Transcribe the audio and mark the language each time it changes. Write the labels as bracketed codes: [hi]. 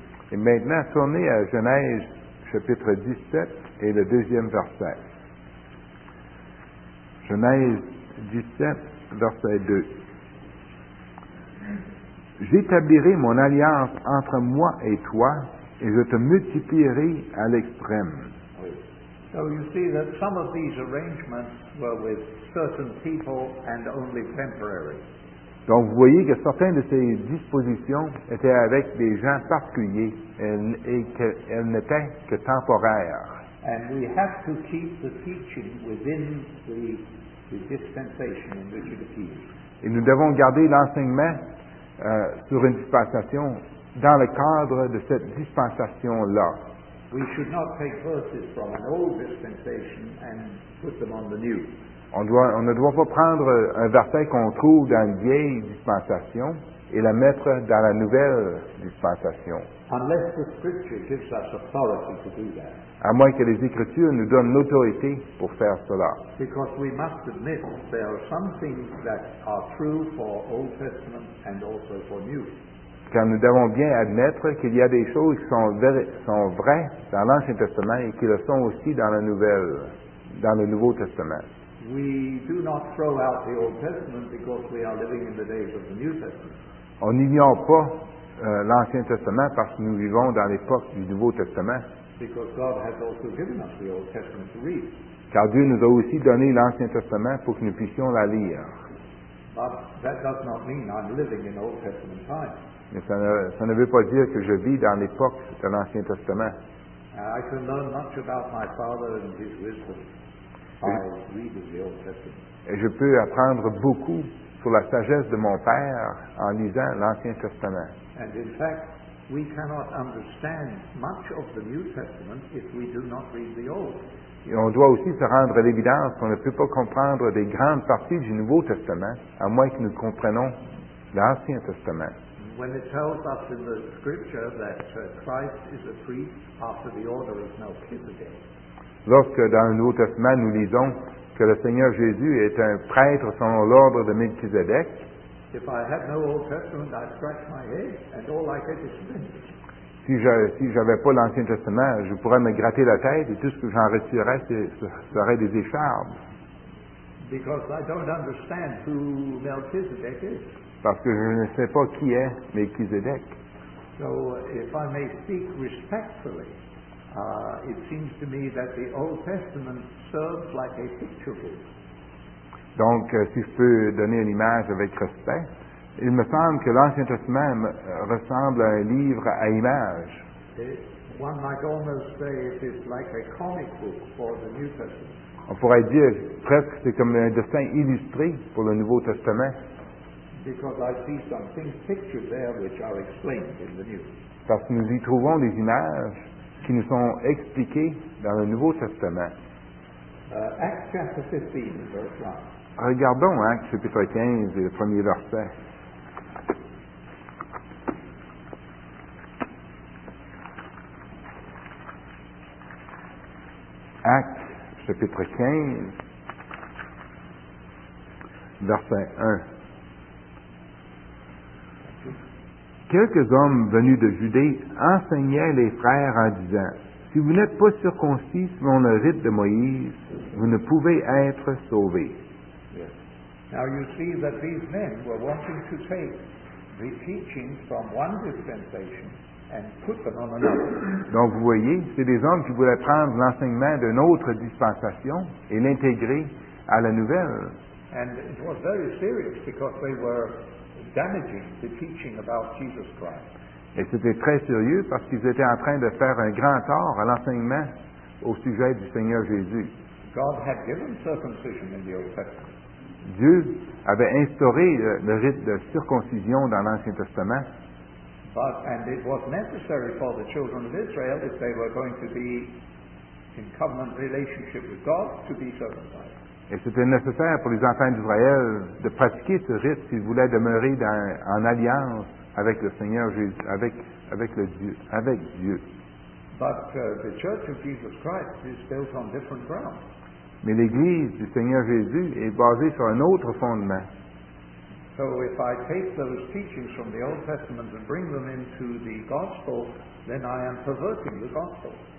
[fr] Et maintenant, tournez à Genèse chapitre 17 et le deuxième verset. Genèse 17, verset 2. J'établirai mon alliance entre moi et toi, et je te multiplierai à l'extrême. [en] So you see that some of these arrangements were with certain people and only temporary. [fr] Donc vous voyez que certaines de ces dispositions étaient avec des gens particuliers et qu'elles n'étaient que temporaires. [en] And we have to keep the teaching within the dispensation in which it appears. [fr] Et nous devons garder l'enseignement sur une dispensation dans le cadre de cette dispensation-là. [en] We should not take verses from an old dispensation and put them on the new. [fr] On ne doit pas prendre un verset qu'on trouve dans une vieille dispensation et la mettre dans la nouvelle dispensation. [en] Unless the scripture gives us authority to do that. [fr] À moins que les Écritures nous donnent l'autorité pour faire cela. [en] Because we must admit there are some things that are true for Old Testament and also for New. [fr] Car nous devons bien admettre qu'il y a des choses qui sont vraies dans l'Ancien Testament et qui le sont aussi dans le Nouveau Testament. [en] We do not throw out the Old Testament because we are living in the days of the New Testament. [fr] On n'ignore pas l'Ancien Testament parce que nous vivons dans l'époque du Nouveau Testament. [en] Because God has also given us the Old Testament to read. [fr] Car Dieu nous a aussi donné l'Ancien Testament pour que nous puissions la lire. [en] But that does not mean I'm living in Old Testament time. [fr] Mais ça ne veut pas dire que je vis dans l'époque de l'Ancien Testament. [en] I can learn much about my father and his wisdom. [fr] Et je peux apprendre beaucoup sur la sagesse de mon père en lisant l'Ancien Testament. [en] And in fact, we cannot understand much of the New Testament if we do not read the Old. [fr] Et on doit aussi se rendre à l'évidence qu'on ne peut pas comprendre des grandes parties du Nouveau Testament à moins que nous comprenions l'Ancien Testament. [en] When it tells us in the Scripture that Christ is a priest after the order of Melchizedek. [fr] Lorsque dans le Nouveau Testament nous lisons que le Seigneur Jésus est un prêtre selon l'ordre de Melchizedek, si j'avais pas l'Ancien Testament, je pourrais me gratter la tête et tout ce que j'en retirerais serait des écharpes. [en] Because I don't understand who Melchizedek is. [fr] Parce que je ne sais pas qui est Melchizedek. [en] So if I may speak respectfully. It seems to me that the Old Testament serves like a picture book. [fr] Donc, si je peux donner une image avec respect, il me semble que l'Ancien Testament ressemble à un livre à image. [en] One might almost say it is like a comic book for the New Testament. [fr] On pourrait dire presque que c'est comme un dessin illustré pour le Nouveau Testament. [en] Because I see some things pictured there which are explained in the New. [fr] Parce que nous y trouvons des images qui nous sont expliqués dans le Nouveau Testament. [en] Acts chapter 15, verse 1. [fr] Regardons Acts chapitre 15 et le premier verset. Acts chapitre 15, verset 1. Quelques hommes venus de Judée enseignaient les frères en disant, Si vous n'êtes pas circoncis selon le rite de Moïse, vous ne pouvez être sauvé. [en] Now you see that these men were wanting to take the teachings from one dispensation and put them on another. [fr] Donc vous voyez, c'est des hommes qui voulaient prendre l'enseignement d'une autre dispensation et l'intégrer à la nouvelle. [en] And it was very serious because they were damaging the teaching about Jesus Christ. [fr] Et c'était très sérieux parce qu'ils étaient en train de faire un grand tort à l'enseignement au sujet du Seigneur Jésus. [en] God had given circumcision in the Old Testament. [fr] Dieu avait instauré le rite de circoncision dans l'Ancien Testament. [en] But, and it was necessary for the children of Israel, if they were going to be in covenant relationship with God, to be circumcised. [fr] Et c'était nécessaire pour les enfants d'Israël de pratiquer ce rite s'ils voulaient demeurer dans, en alliance avec le Seigneur Jésus, avec Dieu. [en] But the Church of Jesus Christ is built on different grounds. [fr] Mais l'Église du Seigneur Jésus est basée sur un autre fondement. [en] So if I take those teachings from the Old Testament and bring them into the Gospel, then I am perverting the Gospel.